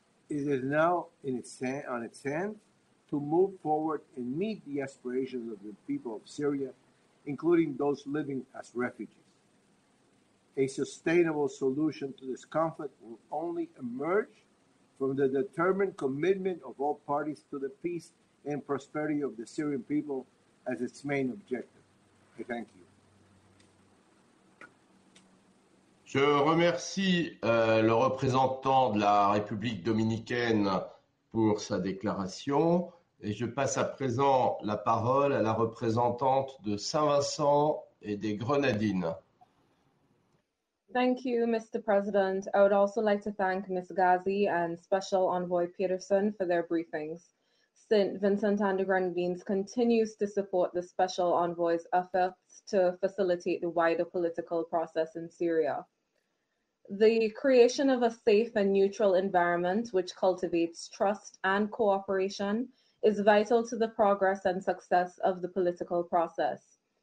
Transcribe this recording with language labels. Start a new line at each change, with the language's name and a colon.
English: It is now on its hands to move forward and meet the aspirations of the people of Syria, including those living as refugees. a sustainable solution to this conflict will only emerge from the determined commitment of all parties to the peace and prosperity of the Syrian people as its main objective. I thank you.
French: Je remercie le représentant de la République dominicaine pour sa déclaration et je passe à présent la parole à la représentante de Saint-Vincent et des Grenadines.
English: Thank you, Mr. President. I would also like to thank Ms. Ghazi and Special Envoy Pedersen for their briefings. St. Vincent and the Grenadines continues to support the Special Envoy's efforts to facilitate the wider political process in Syria. The creation of a safe and neutral environment which cultivates trust and cooperation is vital to the progress and success of the political process.